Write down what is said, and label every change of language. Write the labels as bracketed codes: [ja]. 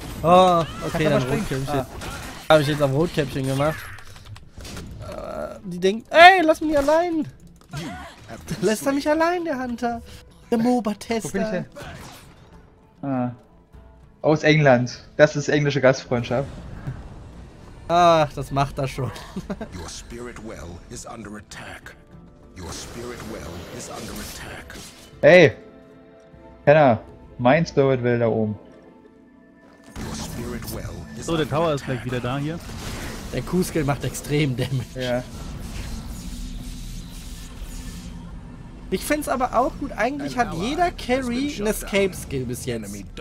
[de] Oh, okay, dann Rotkäppchen. Hab ich jetzt am Rotkäppchen gemacht. Die denkt, ey, lass mich allein. Lässt er mich allein, der Hunter. Der MOBA-Tester. Wo bin ich denn? Ah. Aus England. Das ist englische Gastfreundschaft. Ach, das macht er schon. [en] Your spirit well is under attack. Your spirit well is under attack. [de] Hey! Penner! Mein Spirit Well da oben. [en] Your spirit well is [de] so, der Tower ist gleich wieder da hier. Der Q-Skill macht extrem Damage. Ja. Ich find's aber auch gut, eigentlich hat jeder Carry ein Escape-Skill bis jetzt.